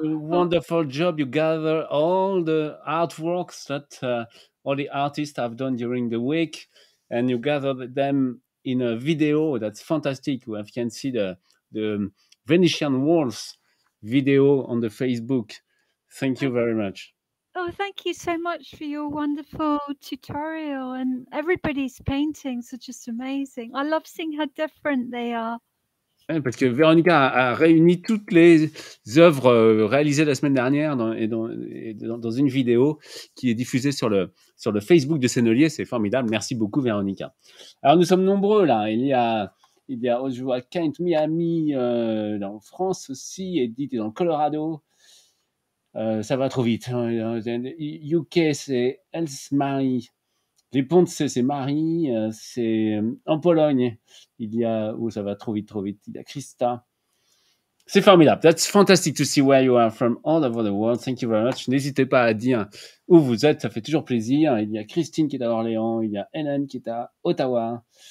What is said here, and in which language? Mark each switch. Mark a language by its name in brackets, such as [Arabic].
[English] Wonderful job, you gather all the artworks that all the artists have done during the week, and you gather them in a video that's fantastic. You can see the Venetian walls video on the Facebook. Thank you very much. Oh, thank you so much for your wonderful tutorial, and everybody's paintings are just amazing. I love seeing how different they are. [French] Parce que Véronica a réuni toutes les œuvres réalisées la semaine dernière dans une vidéo qui est diffusée sur le Facebook de Sennelier. C'est formidable. Merci beaucoup, Véronica. Alors, nous sommes nombreux là. Il y a Ojoa Kent, Miami, en France aussi, Edith est dans le Colorado. Ça va trop vite. UK, c'est Elsmarie. Les Pontes, c'est Marie, c'est en Pologne. Il y a, ça va trop vite, il y a Christa. C'est formidable. [English] That's fantastic to see where you are from all over the world. Thank you very much. [French] N'hésitez pas à dire où vous êtes, ça fait toujours plaisir. Il y a Christine qui est à Orléans, il y a Hélène qui est à Ottawa.